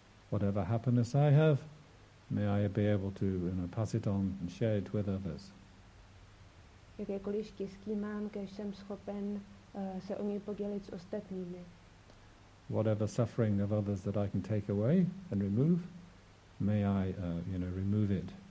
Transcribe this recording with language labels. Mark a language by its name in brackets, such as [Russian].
[English] Whatever happiness I have, may I be able to pass it on and share it with others. [Czech] Jakékoliv štěstí mám, kéž jsem schopen se o něj podělit s ostatními. [English] Whatever suffering of others that I can take away and remove, may I remove it.